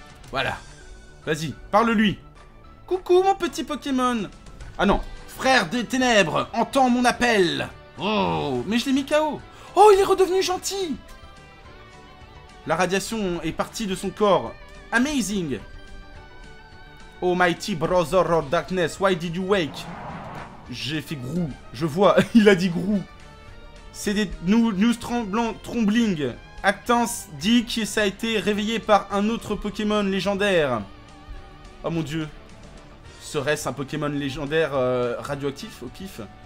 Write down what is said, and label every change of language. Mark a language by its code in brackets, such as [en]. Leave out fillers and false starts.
[fr] Voilà. Vas-y, parle-lui. Coucou, mon petit Pokémon. Ah non. Frère des ténèbres, entends mon appel. Oh, mais je l'ai mis KO. Oh, il est redevenu gentil. La radiation est partie de son corps. [en] Amazing. Oh, mighty brother of darkness, why did you wake? [fr] J'ai fait grou, je vois, il a dit grou. C'est des news trombling. Actans dit que ça a été réveillé par un autre Pokémon légendaire. Oh mon dieu. Serait-ce un Pokémon légendaire radioactif au pif?